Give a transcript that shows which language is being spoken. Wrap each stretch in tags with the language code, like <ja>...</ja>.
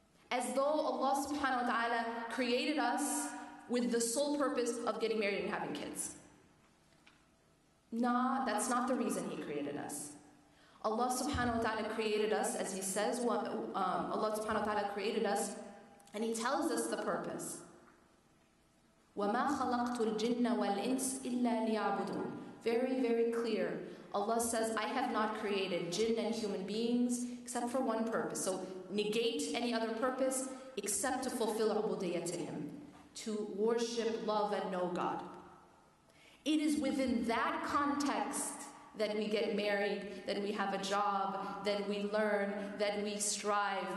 <en>As though Allah subhanahu wa ta'ala created us with the sole purpose of getting married and having kids. Nah, that's not the reason He created us. Allah subhanahu wa ta'ala created us, as He says, Allah subhanahu wa ta'ala created us, and He tells us the purpose.</en> <ar>وَمَا خَلَقْتُ الْجِنَّ وَالْإِنسِ إِلَّا لِيَعْبُدُونَ</ar> <en>Very, very clear. Allah says, I have not created jinn and human beings except for one purpose. So negate any other purpose except to fulfill عُبُدِيَّةِ to Him. To worship, love, and know God. It is within that context that we get married, that we have a job, that we learn, that we strive.</en>